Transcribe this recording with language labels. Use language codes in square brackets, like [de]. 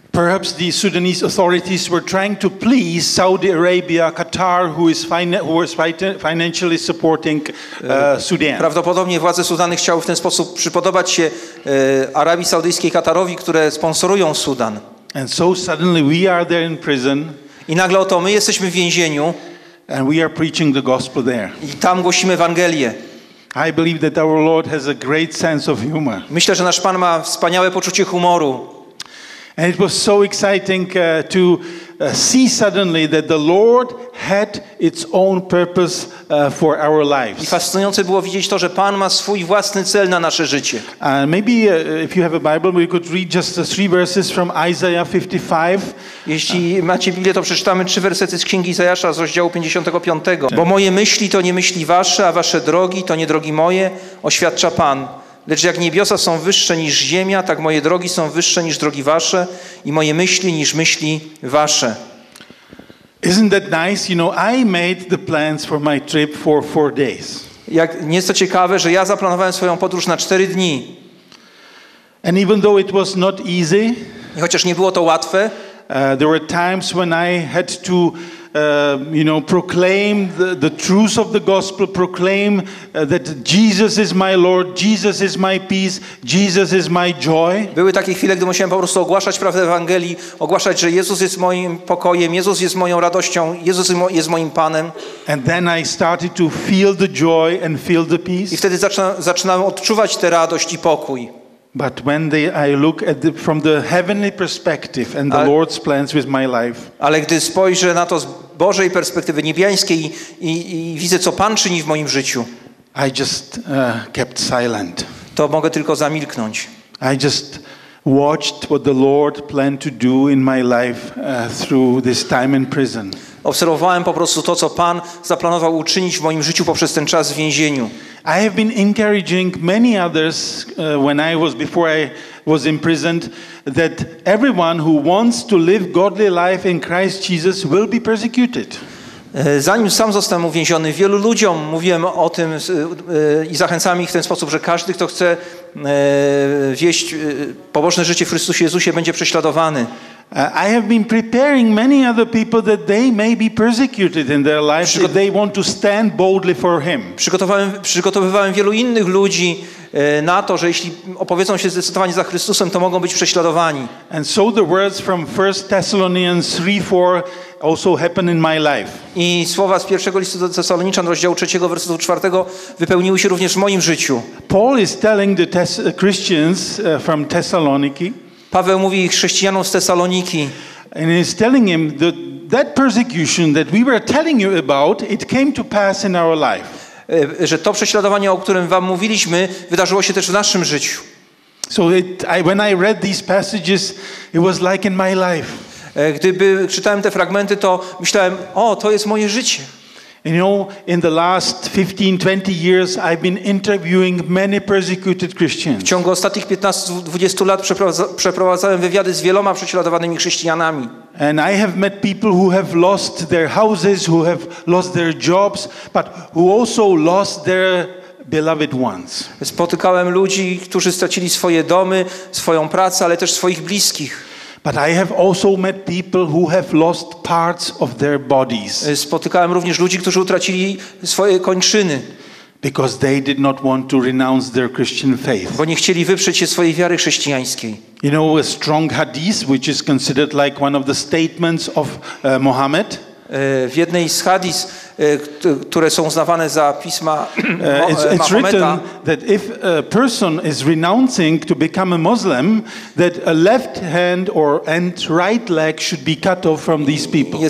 [en] Perhaps the Sudanese authorities were trying to please Saudi Arabia, Qatar, who was financially supporting Sudan. [pl] Prawdopodobnie władze Sudanu chciały w ten sposób przypodobać się Arabii Saudyjskiej, Katarowi, które sponsorują Sudan. [en] And so suddenly we are there in prison. [pl] I nagle oto my jesteśmy w więzieniu. [en] And we are preaching the gospel there. [pl] I tam głosimy Ewangelię. [en] I believe that our Lord has a great sense of humor. [pl] Myślę, że nasz Pan ma wspaniałe poczucie humoru. [en] And it was so exciting to see suddenly that the Lord had its own purpose for our lives. [pl] I fascynujące było widzieć to, że Pan ma swój własny cel na nasze życie. [en] Maybe if you have a Bible, we could read just 3 verses from Isaiah 55. [pl] Jeśli macie Biblię, to przeczytamy 3 wersety z Księgi Izajasza z rozdziału 55. Bo moje myśli to nie myśli wasze, a wasze drogi to nie drogi moje, oświadcza Pan. Lecz jak niebiosa są wyższe niż ziemia, tak moje drogi są wyższe niż drogi wasze i moje myśli niż myśli wasze. [en] Isn't that nice? You know, I made the plans for my trip for 4 days. [pl] Jak nieco ciekawe, że ja zaplanowałem swoją podróż na 4 dni. [en] And even though it was not easy, [pl] i chociaż nie było to łatwe, [en] there were times when I had to proclaim the truth of the gospel, proclaim that Jesus is my Lord, Jesus is my peace, Jesus is my joy. [pl] Były takie chwile, gdy musiałem po prostu ogłaszać prawdę Ewangelii, ogłaszać, że Jezus jest moim pokojem, Jezus jest moją radością, Jezus jest moim Panem. [en] And then I started to feel the joy and feel the peace. [pl] I wtedy zaczynałem odczuwać tę radość i pokój. [en] But when I look at from the heavenly perspective and the Lord's plans with my life. [pl] Ale gdy spojrzę na to z Bożej perspektywy niebiańskiej i widzę, co Pan czyni w moim życiu. [en] I just kept silent. [pl] To mogę tylko zamilknąć. [en] I just watched what the Lord planned to do in my life through this time in prison. [pl] Obserwowałem po prostu to, co Pan zaplanował uczynić w moim życiu poprzez ten czas w więzieniu. [en] I have been encouraging many others when I was before I was imprisoned that everyone who wants to live godly life in Christ Jesus will be persecuted. [pl] Zanim sam zostałem uwięziony, wielu ludziom mówiłem o tym i zachęcałem ich w ten sposób, że każdy, kto chce wieść pobożne życie w Chrystusie Jezusie, będzie prześladowany. [en] I have been preparing many other people that they may be persecuted in their lives if they want to stand boldly for him. [pl] Przygotowywałem wielu innych ludzi na to, że jeśli opowiedzą się zdecydowanie za Chrystusem, to mogą być prześladowani. [en] And so the words from 1 Thessalonians 3:4 also happen in my life. [pl] I słowa z 1 listu do Tesaloniczan, rozdziału 3, wersetu 4 wypełniły się również w moim życiu. [en] Paul is telling the Christians from Thessaloniki. [pl] Paweł mówi chrześcijanom z Tesaloniki. [en] And he's telling him that that persecution that we were telling you about, it came to pass in our life. [pl] Że to prześladowanie, o którym wam mówiliśmy, wydarzyło się też w naszym życiu. [en] So when I read these passages, it was like in my life. [pl] Gdyby czytałem te fragmenty, to myślałem, o, to jest moje życie. [en] You know, in the last 15-20 years I've been interviewing many persecuted Christians. [pl] W ciągu ostatnich 15-20 lat przeprowadzałem wywiady z wieloma prześladowanymi chrześcijanami. [en] And I have met people who have lost their houses, who have lost their jobs, but who also lost their beloved ones. [pl] Spotykałem ludzi, którzy stracili swoje domy, swoją pracę, ale też swoich bliskich. [en] But I have also met people who have lost parts of their bodies. [pl] Spotykałem również ludzi, którzy utracili swoje kończyny. [en] Because they did not want to renounce their Christian faith. [pl] Bo nie chcieli wyprzeć się swojej wiary chrześcijańskiej. [en] You know, a strong hadith, which is considered like one of the statements of Muhammad. [pl] W jednej z hadith, które są uznawane za pisma Mahometa. [en] It's written that if a person is renouncing to become a Muslim, that a left hand or right leg should be cut off from these people.